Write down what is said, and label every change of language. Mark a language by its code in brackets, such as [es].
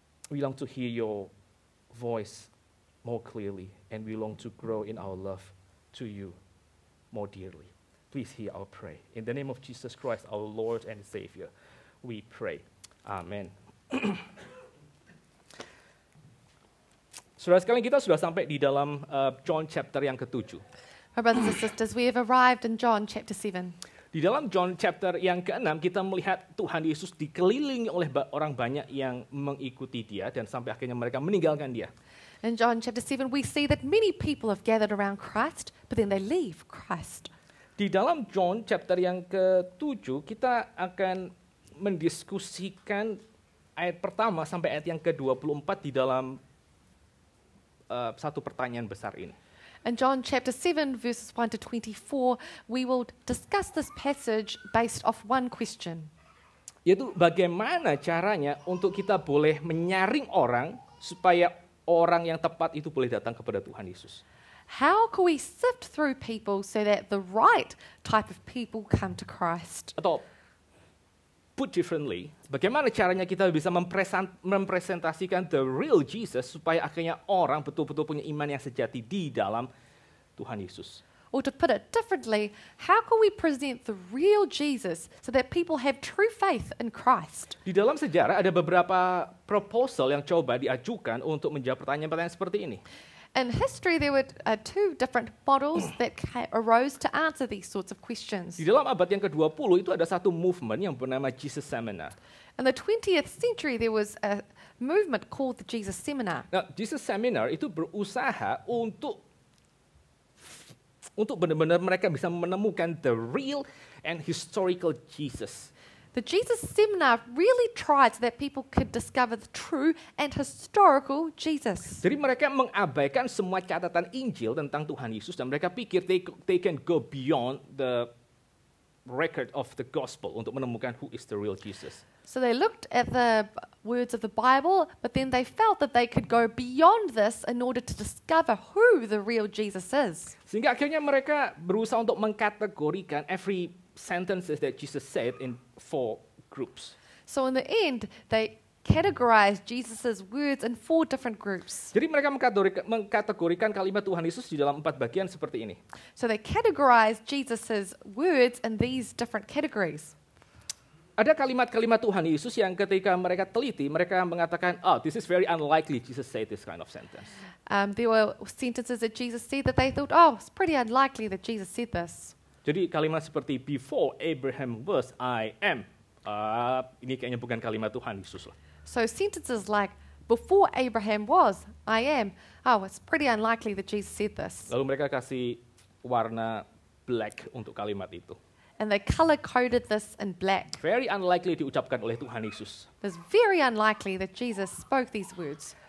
[en] We long to hear your voice more clearly, and we long to grow in our love to you more dearly. Please hear our prayer. In the name of Jesus Christ, our Lord and Savior, we pray. Amen. [id] Saudara sekalian, kita sudah sampai di dalam John chapter yang ketujuh. [en] My brothers and sisters, we have arrived in John chapter 7. [id] Di dalam John chapter yang ke-6, kita melihat Tuhan Yesus dikelilingi oleh orang banyak yang mengikuti dia dan sampai akhirnya mereka meninggalkan dia. [en] In John chapter 7, we see that many people have gathered around Christ, but then they leave Christ. [id] Di dalam John chapter yang ke-7, kita akan mendiskusikan ayat pertama sampai ayat yang ke-24 di dalam satu pertanyaan besar ini. [en] In John chapter 7, verses 1 to 24, we will discuss this passage based off one question. [id] Yaitu bagaimana caranya untuk kita boleh menyaring orang supaya orang yang tepat itu boleh datang kepada Tuhan Yesus. [en] How can we sift through people so that the right type of people come to Christ? [id] Atau [en] put differently, [id] bagaimana caranya kita bisa mempresentasikan [en] the real Jesus [id] supaya akhirnya orang betul-betul punya iman yang sejati di dalam Tuhan Yesus. [en] Or to put it differently, how can we present the real Jesus so that people have true faith in Christ? [id] Di dalam sejarah ada beberapa proposal yang coba diajukan untuk menjawab pertanyaan-pertanyaan seperti ini. [en] In history, there were two different models that arose to answer these sorts of questions. [id] Di dalam abad yang ke-20 itu ada satu movement yang bernama Jesus Seminar. [en] In the 20th century, there was a movement called the Jesus Seminar. [id] Nah, Jesus Seminar itu berusaha untuk benar-benar mereka bisa menemukan [en] the real and historical Jesus. The Jesus Seminar really tried so that people could discover the true and historical Jesus. [id] Jadi mereka mengabaikan semua catatan Injil tentang Tuhan Yesus dan mereka pikir [en] they can go beyond the record of the gospel [id] untuk menemukan [en] who is the real Jesus. So they looked at the words of the Bible, but then they felt that they could go beyond this in order to discover who the real Jesus is. [id] Sehingga akhirnya mereka berusaha untuk mengkategorikan [en] every sentences that Jesus said in four groups. So in the end, they categorized Jesus's words in four different groups. [id] Jadi mereka mengkategorikan kalimat Tuhan Yesus di dalam empat bagian seperti ini. [en] So they categorized Jesus's words in these different categories. [id] Ada kalimat-kalimat Tuhan Yesus yang ketika mereka teliti, mereka mengatakan, [en] oh, this is very unlikely Jesus said this kind of sentence. There were sentences that Jesus said that they thought, oh, it's pretty unlikely that Jesus said this. [id] Jadi kalimat seperti, [en] before Abraham was, I am. [id] Ini kayaknya bukan kalimat Tuhan Yesus lah. [en] So sentences like, before Abraham was, I am. Oh, it's pretty unlikely that Jesus said this. [id] Lalu mereka kasih warna [en] black [id] untuk kalimat itu. [en] And they color-coded this in black. Very unlikely [id] diucapkan oleh Tuhan Yesus. [en] It's very unlikely that Jesus spoke these words.